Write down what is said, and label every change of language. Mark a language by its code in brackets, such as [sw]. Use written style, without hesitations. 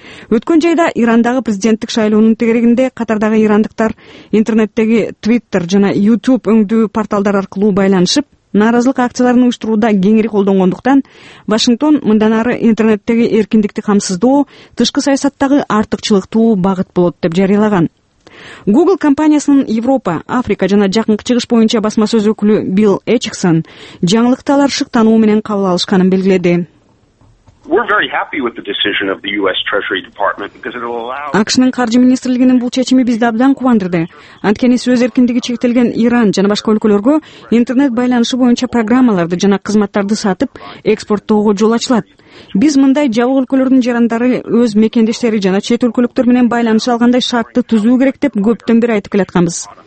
[ky] Өткөн жайда Ирандагы президенттик шайлоонун тегерегинде Катардагы ирандыктар интернеттеги Twitter жана YouTube өңдүү порталдар аркылуу байланышып, нааразылык акцияларын уюштурууда кеңири колдонгондуктан Вашингтон мындан ары интернеттеги эркиндикти камсыздоо тышкы саясаттагы артыкчылыктуу багыт болот деп жарыялаган. Google компаниясынын Европа, Африка жана Жакынкы Чыгыш боюнча басма сөз өкүлү Билл Эчиксон жаңылыкты алар шыктануу менен кабыл алышканын белгиледи. [en] We're very happy with the decision of the US Treasury Department because it will allow [ky] АКШнын каржы министрлигинин бул чечими бизди абдан кубандырды. Анткени сөз эркиндиги чектелген Иран жана башка өлкөлөргө интернет байланышы боюнча программаларды жана кызматтарды сатып экспорттоого жол ачылат. Биз мындай жабык өлкөлөрдүн жарандары өз мекендештери жана чет өлкөлүктөр менен байланыш алгандай шартты түзүү керек деп көптөн бери айтып келатканбыз.